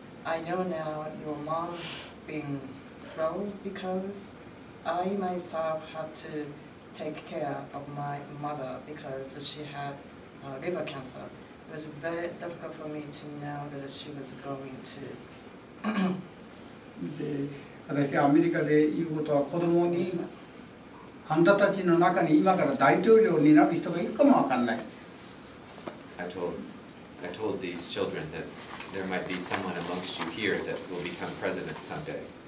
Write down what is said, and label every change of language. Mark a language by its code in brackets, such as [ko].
[en] I know now your mom being role because I myself had to take care of my mother because she had liver cancer. It was very difficult for me to know that she was going to. [ja] で、私はアメリカで言うことは子供に、あんたたちの中に今から大統領になる人がいるかもわかんない。 [en] I told these children that there might be someone amongst you here that will become president someday.